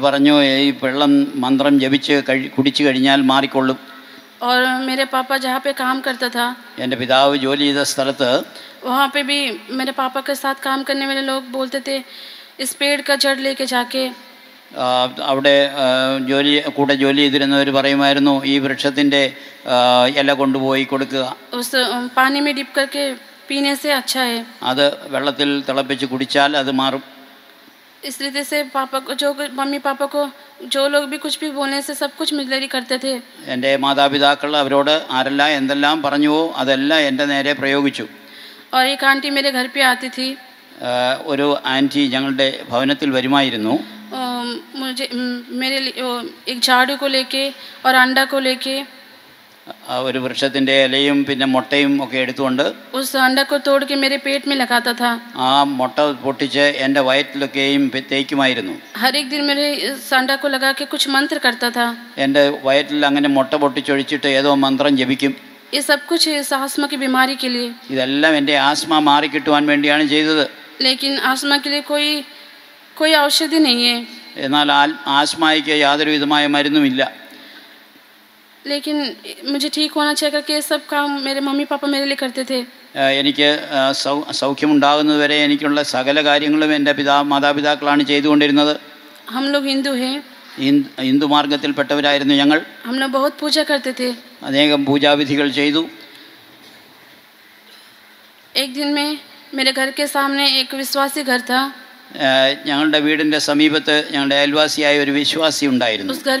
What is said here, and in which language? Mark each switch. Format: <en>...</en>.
<ml>പറഞ്ഞു ഈ വെള്ളം മന്ത്രം ജപിച്ച് കുടിച്ചു കഴിഞ്ഞാൽ മാറിക്കൊള്ളും</ml> <hi>और मेरे पापा जहां पे काम करता था</hi> <ml>എന്റെ പിതാവ് ജോലി ചെയ്ത സ്ഥലത്തെ</ml> <hi>वहां पे भी मेरे पापा के साथ काम करने वाले लोग बोलते थे इस पेड़ का जड़ लेके जाके</hi> <ml>അവിടെ ജോലി കൂടെ ജോലി ചെയ്തിരുന്നവർ പറയുമായിരുന്നു ഈ വൃക്ഷത്തിന്റെ ഇല കൊണ്ടുപോയി കൊടുക്കുക</ml> <hi>उस पानी में डिप करके पीने से अच्छा है</hi> <ml>അത് വെള്ളത്തിൽ തിളപ്പിച്ച് കുടിച്ചാൽ അത് മാറും</ml> <hi>इस तरीके से पापा को जो मम्मी पापा को जो लोग भी कुछ भी बोलने से सब कुछ मिलरी करते थे</hi> <ml>എന്റെ മാതാപിതാക്കൾ അവരോട് ആരെല്ലാം എന്തെല്ലാം പറഞ്ഞുവോ അതെല്ലാം എന്റെ നേരെ പ്രയോഗിച്ചു</ml> <hi>और एक आंटी मेरे घर पे आती थी</hi> <ml>ഒരു ആന്റി ഞങ്ങളുടെ ഭവനത്തിൽ വരുമായിരുന്നു</ml> <hi>मुझे मेरे एक झाड़ू को लेके और अंडा को लेके</hi> <ml>ഒരു വൃക്ഷത്തിന്റെ ഇലയും പിന്നെ മുട്ടയും ഒക്കെ എടുത്തുകൊണ്ട്</ml> <hi>उस अंडा को तोड़ के मेरे पेट में लगाता था</hi> <ml>ആ മുട്ട പൊട്ടിച്ച് എന്റെ വയറ്റിലൊക്കെയും തേക്കുമായിരുന്നു</ml> <hi>हर एक दिन मेरे अंडा को लगा के कुछ मंत्र करता था</hi> <ml>എന്റെ വയറ്റിൽ അങ്ങനെ മുട്ട പൊട്ടിച്ച് ഒഴിച്ചിട്ട് ഏതോ മന്ത്രം ജപിക്കും</ml> <hi>ये सब कुछ आस्मा की बीमारी के लिए</hi> <ml>ഇതെല്ലാം എന്റെ ആസ്മ മാറി കിട്ടുവാൻ വേണ്ടിയാണ് ചെയ്തത്</ml> <hi>लेकिन आस्मा के लिए कोई औषधि नहीं है</hi> <ml>എന്നാൽ ആസ്മയ്ക്ക് യാതൊരു വിധമായ മരുന്നുമില്ല</ml> <hi>लेकिन मुझे ठीक होना चाहिए करके सब काम मेरे मम्मी पापा मेरे लिए करते थे</hi> <ml>എനിക്ക് സൗഖ്യം ഉണ്ടാകുന്നത് വരെ എനിക്കുള്ള സകല കാര്യങ്ങളും എൻ്റെ പിതാ മാതാപിതാക്കളാണ് ചെയ്തുകൊണ്ടിരുന്നത്</ml> <hi>हम लोग हिंदू हैं</hi> <ml>हिंदु മാർഗ്ഗത്തിൽ പെട്ടവരായിരുന്നു ഞങ്ങൾ</ml> <hi>हम लोग बहुत पूजा करते थे</hi> <ml>अनेकം പൂജാവിധികൾ ചെയ്തു</ml> <hi>एक दिन में मेरे घर के सामने एक विश्वासी घर था</hi> <ml>ഞങ്ങളുടെ വീടിന്റെ സമീപത്ത് ഞങ്ങളുടെ അയൽവാസിയായ ഒരു വിശ്വാസി ഉണ്ടായിരുന്നു.</ml>